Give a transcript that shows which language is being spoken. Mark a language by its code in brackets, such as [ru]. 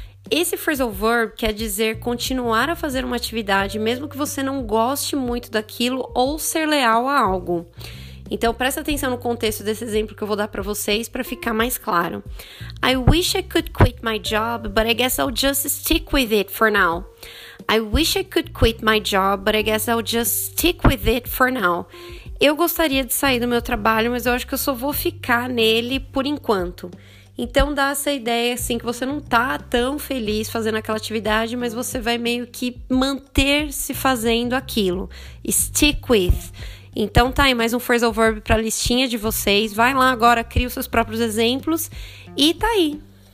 [pt] Esse phrasal verb quer dizer continuar a fazer uma atividade mesmo que você não goste muito daquilo ou ser leal a algo. Então, presta atenção no contexto desse exemplo que eu vou dar para vocês para ficar mais claro. [en] I wish I could quit my job, but I guess I'll just stick with it for now. I wish I could quit my job, but I guess I'll just stick with it for now. [pt] Eu gostaria de sair do meu trabalho, mas eu acho que eu só vou ficar nele por enquanto. Então, dá essa ideia, assim, que você não tá tão feliz fazendo aquela atividade, mas você vai meio que manter-se fazendo aquilo. Stick with. Então tá aí, mais um phrasal verb pra listinha de vocês. Vai lá agora, cria os seus próprios exemplos e tá aí.